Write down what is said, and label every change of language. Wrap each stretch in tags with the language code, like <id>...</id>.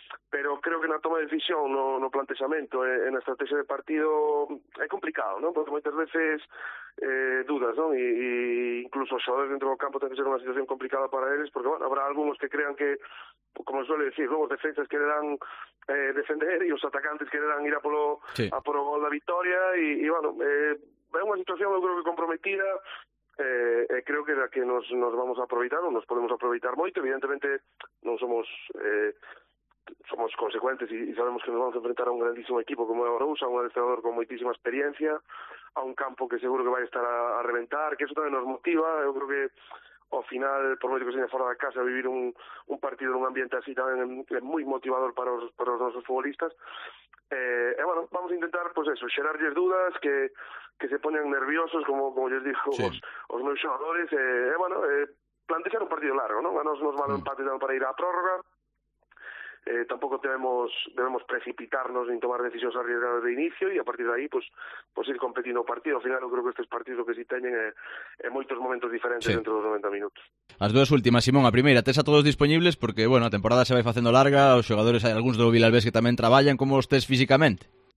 <es>Pero creo que en la toma de decisión, no planteamiento, en la estrategia de partido, es complicado, ¿no? Porque muchas veces dudas, ¿no? Y incluso xoder dentro del campo tiene que ser una situación complicada para ellos, porque bueno, habrá algunos que crean que, como suele decir, ¿no? Los defensas quererán defender y los atacantes quererán ir a por el gol de victoria.</es> <gl>Y bueno, é unha situación, eu creo que comprometida, creo que da que nos vamos a aproveitar, ou nos podemos aproveitar moito. Evidentemente non somos somos consecuentes e sabemos que nos vamos a enfrentar a un grandísimo equipo como é o Arousa, un adestrador con moitísima experiencia, a un campo que seguro que vai estar a reventar, que eso tamén nos motiva. Eu creo que ao final, por moito que seña fora da casa, vivir un partido nun ambiente así tamén é moi motivador para os nosos futbolistas.</gl> <es>Bueno, vamos a intentar, pues eso, xerarlles dudas, que se ponen nerviosos, como yo digo, sí,</es> <gl>os meus xogadores.</gl> <es>Plantear un partido largo, ¿no? Bueno, nos vale un empate para ir a prórroga. Tampoco debemos precipitarnos en tomar decisiones arriesgadas de inicio, y a partir de ahí pues ir competindo partido. Al final, yo creo que estos partidos que sí</es> <gl>teñen en moitos momentos diferentes,</gl> <es>sí, dentro de los 90 minutos.</es> <gl>As dúas últimas, Simón, a primeira, tes a todos disponibles, porque bueno, a temporada se vai facendo larga, os xogadores, hai algúns do Vilalbés que tamén traballan, como os tes físicamente?</gl>